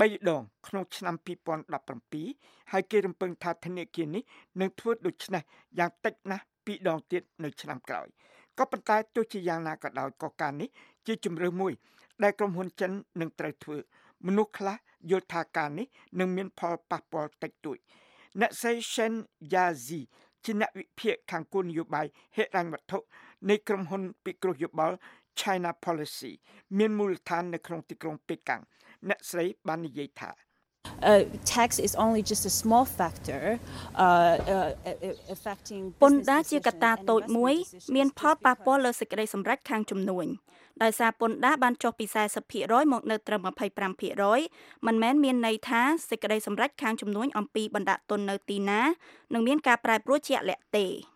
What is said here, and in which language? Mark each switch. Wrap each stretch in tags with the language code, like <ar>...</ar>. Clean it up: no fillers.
<km>ដងក្នុងឆ្នាំ2017ហើយគេរំពឹងថាធនាគារនេះនឹងធ្វើដូច្នេះយ៉ាងតិចណាស់២ដងទៀតនៅឆ្នាំក្រោយក៏ប៉ុន្តែទោះជាយ៉ាងណាក៏ដោយក៏ការនេះជាជំរើសមួយដែលក្រុមហ៊ុនចិននឹងត្រូវធ្វើមនុស្សខ្លះយល់ថាការនេះនឹងមានផលប៉ះពាល់តិចតួចអ្នកសេសិនយ៉ាស៊ីជាអ្នកវិភាគខាងគោលនយោបាយហិរញ្ញវត្ថុនៃក្រុមហ៊ុនពិគ្រោះយោបល់ China Policy មានមូលដ្ឋាននៅក្នុងទីក្រុងប៉េកាំងអ្នកស្រីបាននិយាយថា</km> <en>Tax is only just a small factor affecting</en> <km>ពន្ធដារជាកត្តាតូចមួយមានផលប៉ះពាល់លើសេចក្តីសម្រេចខាងចំនួនដោយសារពន្ធដារបានចុះពី 40% មកនៅត្រឹម 25% មិនមែនមានន័យថាសេចក្តីសម្រេចខាងចំនួនអំពីបណ្ដាក់ទុននៅទីណានឹងមានការប្រែប្រួលជាក់លាក់ទេ</km>